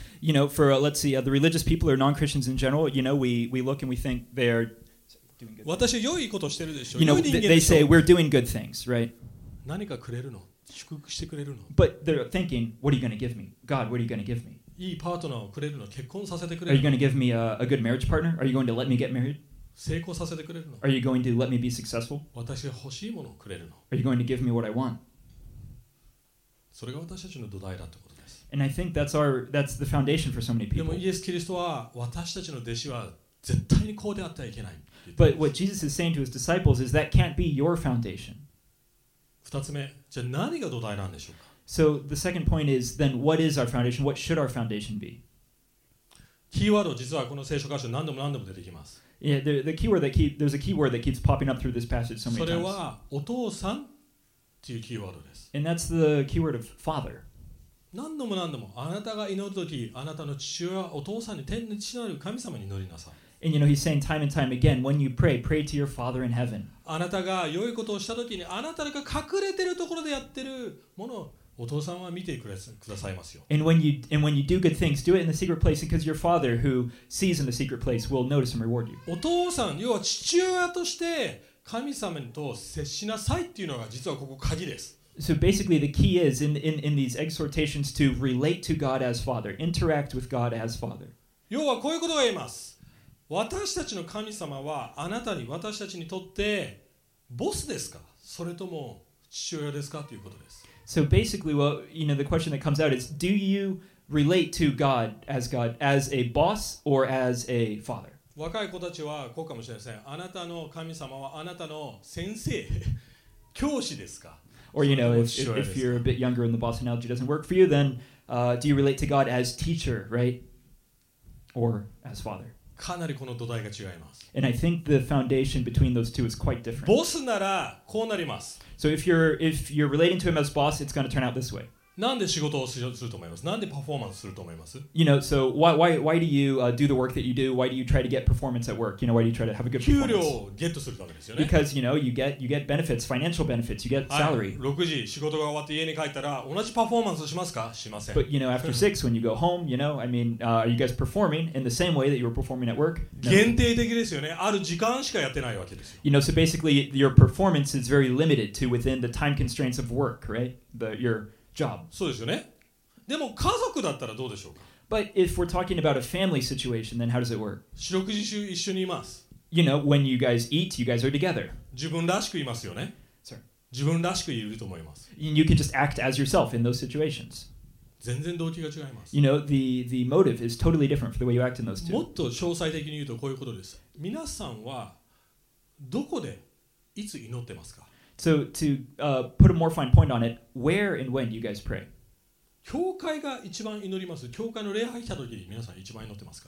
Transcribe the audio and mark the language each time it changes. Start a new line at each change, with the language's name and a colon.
English: You know, for, let's see, the religious people or non-Christians in general, you know, we look and we think they are doing good things.
Japanese: 私は良いことをしてるでしょう。
English: You know, they say, we're doing good things, right?
Japanese: 何かくれるの?祝福してくれるの?
English: But they're thinking, what are you going to give me? God, what are you going to give me?
Japanese: いいパートナーをくれるの? 結婚させてくれるの?
English: Are you going to give me a good marriage partner? Are you going to let me get married?
Japanese: 成功させてくれるの?
English: Are you going to let me be successful?
Japanese: 私欲しいものをくれるの?
English: Are you going to give me what I want?
Japanese: それが私たちの土台だってことです。
English: And I think that's the foundation for so many people.
Japanese: でもイエス・キリストは私たちの弟子は絶対にこうであってはいけない。
English: But what Jesus is saying to his disciples is that can't be your foundation.
Japanese: 二つ目、じゃあ何が土台なんでしょうか?
English: So the second point is then what is our foundation? What should our foundation be?
Japanese: キーワード実はこの聖書箇所何度も何度も出てきます。
English: Yeah, there's a keyword that keeps popping up through this passage so many times.
Japanese: それはお父さんっていうキーワードです。
English: And that's the keyword of father.
Japanese: 何度も何度もあなたが祈るとき、あなたの父親、お父さんに天の父なる神様に祈りなさい。
English: And you know, he's saying time and time again, when you pray, pray to your father in heaven.
Japanese: あなたが良いことをしたときに、あなたが隠れてるところでやってるものをお父さんは見てくださいますよ。
English: And when you do good things, do it in the secret place because your father who sees in the secret place will notice and reward you.
Japanese: お父さん、要は父親として神様と接しなさいっていうのが実はここ鍵です。
English: So basically the key is in these exhortations to relate to God as father, interact with God as father.
Japanese: 要はこういうことを言います。私たちの神様はあなたに私たちにとってボスですか? それとも父親ですか?ということです。
English: So basically, well, you know, the question that comes out is, do you relate to God, as a boss or as a father?
Japanese: 若い子たちはこうかもしれません。あなたの神様はあなたの先生、教師ですか?
English: Or, you know, if you're a bit younger and the boss analogy doesn't work for you, then do you relate to God as teacher, right? Or as father?
Japanese: かなりこの土台が違います。
English: And I think the foundation between those two is quite different.
Japanese: ボスならこうなります。
English: So if you're relating to him as boss, it's going to turn out this way.
Japanese: なんで仕事をすると思います?なんでパフォーマンスすると思います?
English: You know, so why do you do the work that you do? Why do you try to get performance at work? You know, why do you try to have a good performance?
Japanese: 給料をゲットするためですよね。
English: Because, you know, you get benefits, financial benefits, you get salary.
Japanese: 6時仕事が終わって家に帰ったら同じパフォーマンスしますか? しません。
English: But, you know, after 6, when you go home, you know, I mean, are you guys performing in the same way that you were performing at work? No.
Japanese: 限定的ですよね。ある時間しかやってないわけですよ。
English: You know, so basically, your performance is very limited to within the time constraints of work, right? Your job.
Japanese: そうですよね。でも家族だったらどうでしょうか?
English: But if we're talking about a family situation, then how does it work?
Japanese: 四六時中一緒にいます。
English: You know, when you guys eat, you guys are together.
Japanese: 自分らしくいますよね。
English: Sir.
Japanese: 自分らしくいると思います。
English: You can just act as yourself in those situations.
Japanese: 全然動機が違います。
English: You know, the motive is totally different for the way you act in those two.
Japanese: もっと詳細的に言うとこういうことです。皆さんはどこでいつ祈ってますか?
English: So to put a more fine point on it, where and when do you guys pray?
Japanese: 教会が一番祈ります。教会の礼拝した時に皆さん一番祈ってますか?